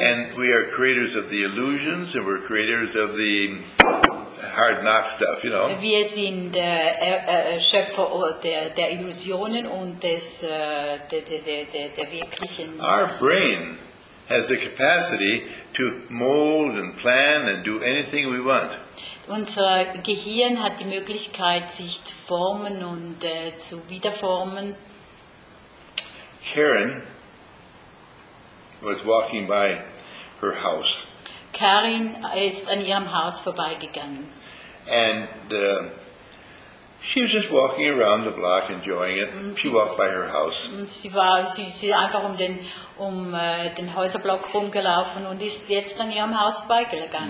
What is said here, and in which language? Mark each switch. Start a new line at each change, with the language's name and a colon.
English: And we are creators of the illusions, and we're creators of the hard knock stuff, you know.
German: Wir sind Schöpfer der Illusionen und des der wirklichen.
English: Our brain has the capacity to mold and plan and do anything we want.
German: Unser Gehirn hat die Möglichkeit, sich zu formen und zu wiederformen.
English: Karen was walking by her house.
German: Karin ist an ihrem Haus vorbeigegangen.
English: And she was just walking around the block, enjoying it. She walked by her house.
German: Sie ist einfach den Häuserblock rumgelaufen und ist jetzt an ihrem Haus vorbeigegangen.